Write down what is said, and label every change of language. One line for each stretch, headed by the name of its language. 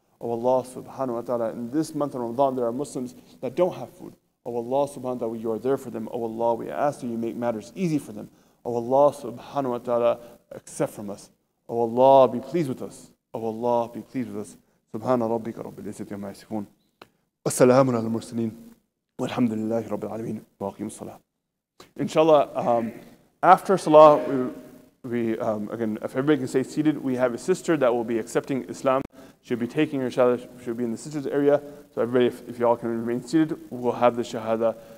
English: Oh Allah subhanahu wa ta'ala, in this month of Ramadan, there are Muslims that don't have food. Oh Allah subhanahu wa ta'ala, You are there for them. Oh Allah, we ask that You make matters easy for them. Oh Allah subhanahu wa ta'ala, accept from us. Oh Allah, be pleased with us. Oh Allah, be pleased with us.
Arabic: Subhana rabbika rabbil izzati amma yasifun. السلام على المرسلين والحمد لله رب العالمين واقيم الصلاة.
English: Inshallah, after Salah, we again, if everybody can stay seated, we have a sister that will be accepting Islam. She'll be taking her shahada. She'll be in the sisters area. So everybody, if y'all can remain seated, we'll have the shahada.